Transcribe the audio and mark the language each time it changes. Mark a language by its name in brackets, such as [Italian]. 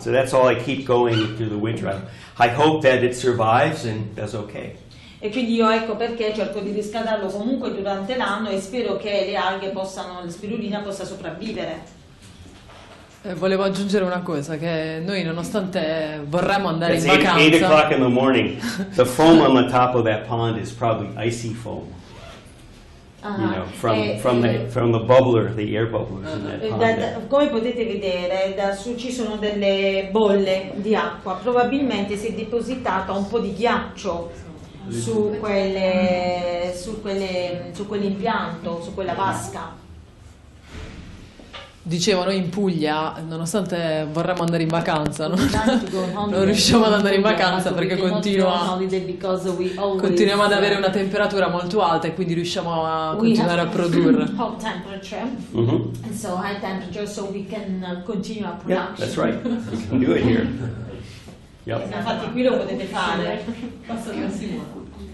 [English] So that's all I keep going through the winter. I hope that it survives and does okay. [Italian] E quindi io ecco perché cerco di riscaldarlo comunque durante l'anno e spero che le alghe possano, la spirulina possa sopravvivere. Volevo aggiungere una cosa, che noi nonostante vorremmo andare [English] it's [Italian] in vacanza... [English] It's 8 o'clock in the morning. The foam on the top of that pond is probably icy foam. From the bubbler, the air bubblers in that pond. [Italian] Come potete vedere, ci sono delle bolle di acqua. Probabilmente si è depositata un po' di ghiaccio su quell'impianto, su quella vasca. Dicevo, noi in Puglia, nonostante vorremmo andare in vacanza, non riusciamo ad andare in vacanza perché continuiamo ad avere una temperatura molto alta e quindi riusciamo a continuare a produrre. [English] Hot temperature. Mm-hmm. And so high temperature so we can continue our production. Yeah, that's right. We can do it here. [Italian] Infatti qui lo potete fare, basta che non si muova.